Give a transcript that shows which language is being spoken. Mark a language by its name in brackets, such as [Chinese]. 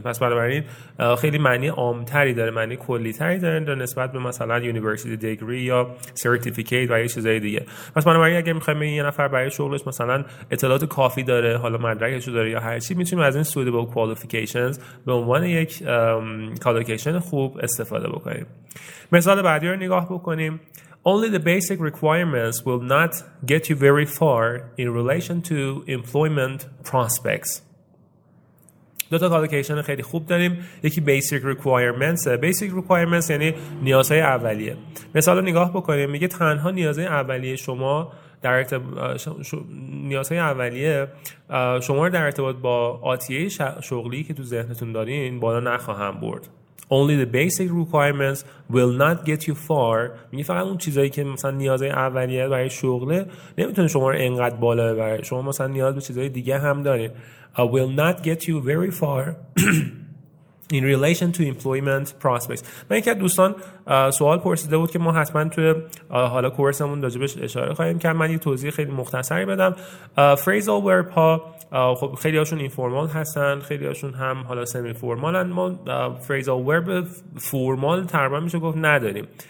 [Persian] پس بنابراین خیلی معنی عام‌تری داره، معنی کلی‌تری داره در نسبت به مثلا یونیورسیتی دیگری یا سرتیفیکیت و یه چیزای دیگه. پس بنابراین اگه میخوایم یه نفر برای شغلش مثلا اطلاعات کافی داره، حالا مدرکش رو داره یا هر چی، میتونیم از این [English] سودبل کوالیفیکیشنز [Persian] به عنوان یک کالیفیکیشن خوب استفاده بکنیم. مثال بعدی رو نگاه بکنیم. [English] Only the basic requirements will not get you very far in relation to employment prospects. [Persian] دو تا کالیفیکیشن خیلی خوب داریم. یکی basic requirements. Basic requirements یعنی نیازهای اولیه. مثال رو نگاه بکنیم. میگه تنها نیازهای اولیه شما در نیازهای اولیه شما رو در ارتباط با آتیه شغلی که تو ذهنتون دارین بالا نخواهم برد. [English] Only the basic requirements will not get you far. [Persian] میگه فقط اون چیزایی که مثلا نیازهای اولیه برای شغله نمیتونه شما رو انقدر بالا ببره. شما مثلا نیاز به چیزهای دیگه هم دارین. [English] Will not get you very far in relation to employment prospects. [Persian] من یکی از دوستان سوال پرسیده بود که ما حتما توی حالا کورسمون راجبش اشاره خواهیم کرد. من یه توضیح خیلی مختصری بدم. Phrasal verb ها خب خیلی هاشون اینفورمال هستن، خیلی هاشون هم حالا سمی فورمالن. ما phrasal verb فورمال تقریبا میشه گفت نداریم.